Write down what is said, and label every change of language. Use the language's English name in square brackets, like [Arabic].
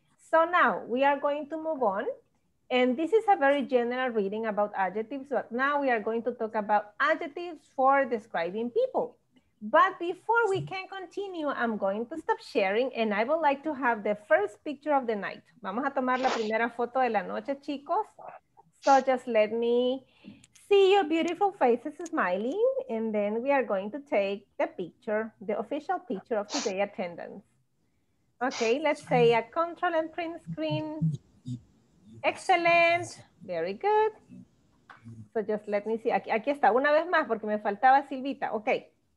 [English] So now we are going to move on. And this is a very general reading about adjectives. But now we are going to talk about adjectives for describing people. But before we can continue, I'm going to stop sharing and I would like to have the first picture of the night. [Spanish] Vamos a tomar la primera foto de la noche, chicos. [English] So just let me see your beautiful faces smiling and then we are going to take the picture, the official picture of today's attendance. Okay, let's say a control and print screen. Excellent, very good. So just let me see, [Spanish] aquí está, una vez más porque me faltaba Silvita, okay.